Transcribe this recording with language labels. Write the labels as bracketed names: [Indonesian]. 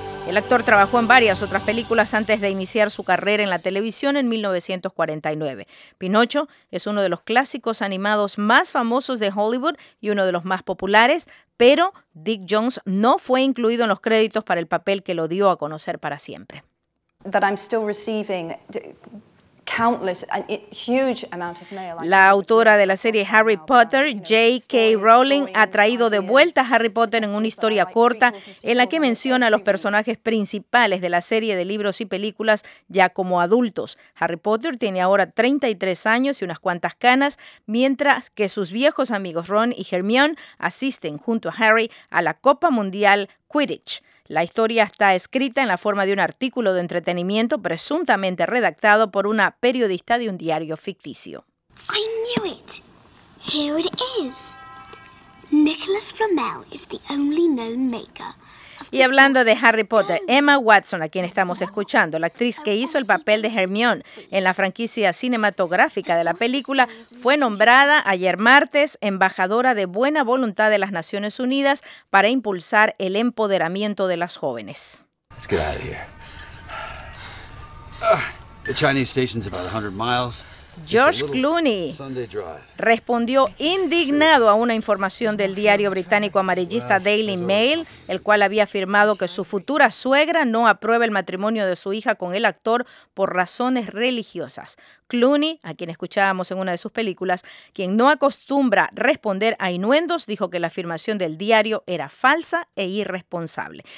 [Spanish] El actor trabajó en varias otras películas antes de iniciar su carrera en la televisión en 1949. Pinocho es uno de los clásicos animados más famosos de Hollywood y uno de los más populares, pero Dick Jones no fue incluido en los créditos para el papel que lo dio a conocer para siempre. [English] That I'm still receiving countless and huge amount of mail. [Spanish] La autora de la serie Harry Potter, J.K. Rowling, ha traído de vuelta a Harry Potter en una historia corta en la que menciona a los personajes principales de la serie de libros y películas ya como adultos. Harry Potter tiene ahora 33 años y unas cuantas canas, mientras que sus viejos amigos Ron y Hermione asisten junto a Harry a la Copa Mundial Quidditch. La historia está escrita en la forma de un artículo de entretenimiento presuntamente redactado por una periodista de un diario ficticio. [English] I knew it. Here it is. Nicholas Flamel is the only known maker. [Spanish] Y hablando de Harry Potter, Emma Watson, a quien estamos escuchando, la actriz que hizo el papel de Hermione en la franquicia cinematográfica de la película, fue nombrada ayer martes embajadora de buena voluntad de las Naciones Unidas para impulsar el empoderamiento de las jóvenes. [English] Let's get out of here. The Chinese station's about 100 miles. [Spanish] George Clooney respondió indignado a una información del diario británico amarillista Daily Mail, el cual había afirmado que su futura suegra no aprueba el matrimonio de su hija con el actor por razones religiosas. Clooney, a quien escuchábamos en una de sus películas, quien no acostumbra responder a innuendos, dijo que la afirmación del diario era falsa e irresponsable.